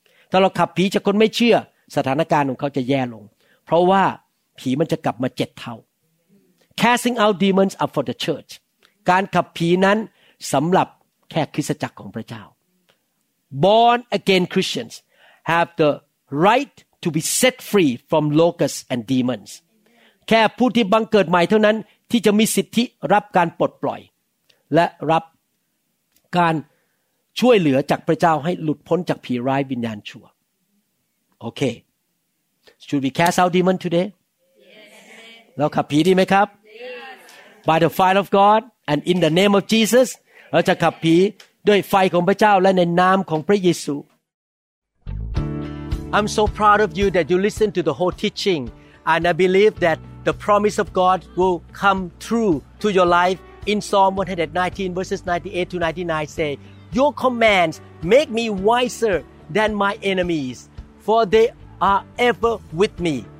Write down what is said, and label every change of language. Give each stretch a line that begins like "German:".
Thai: ถ้าเราขับผีจากคนไม่เชื่อสถานการณ์ของเขาจะแย่ลงเพราะว่าผีมันจะกลับมาเจ็ดเท่า
English: Casting out demons are for the church.
Thai: การขับผีนั้นสำหรับแค่คริสตจักรของพระเจ้า
English: Born again Christians. Have the right to be set free from locusts and demons.
Thai: แค่ผู้ที่บังเกิดใหม่เท่านั้นที่จะมีสิทธิรับการปลดปล่อยและรับการช่วยเหลือจากพระเจ้าให้หลุดพ้นจากผีร้ายวิญญาณชั่ว
English: Okay. Should we cast out demons today? Yes.
Thai: เราขับผีดีไหมครับ
English: Yes. By the fire of God and in the name of Jesus,
Thai: เราจะขับผีด้วยไฟของพระเจ้าและในนามของพระเยซู
English: I'm so proud of you that you listened to the whole teaching And I believe that the promise of God will come true to your life. In Psalm 119 verses 98 to 99 say, Your commands make me wiser than my enemies, for they are ever with me.